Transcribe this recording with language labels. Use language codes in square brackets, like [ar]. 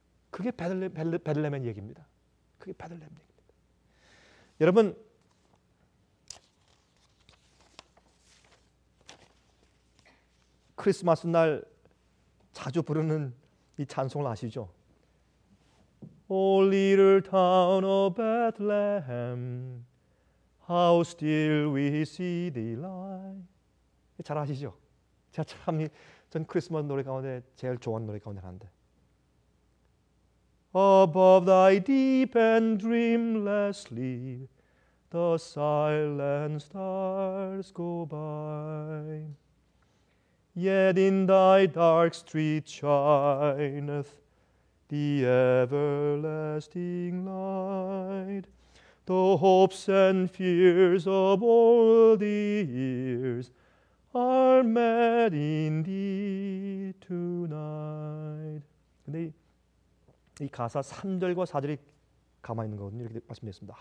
[ko] 그게 베들레헴의 얘기입니다. 그게 베들레헴 얘기입니다. 여러분, 크리스마스 날 자주 부르는 이 찬송을 아시죠? [en] O little town of Bethlehem, How still we see thee lie. [ko] 잘 아시죠? 제가 참 전 크리스마스 노래 가운데 제일 좋아하는 노래 가운데 하나인데. [en] Above thy deep and dreamless sleep, the silent stars go by. Yet in thy dark street shineth the everlasting light. The hopes and fears of all the years are met in thee tonight. [ko] 근데 이 가사 3절과 4절이 가만히 있는 거거든요. 이렇게 말씀드렸습니다.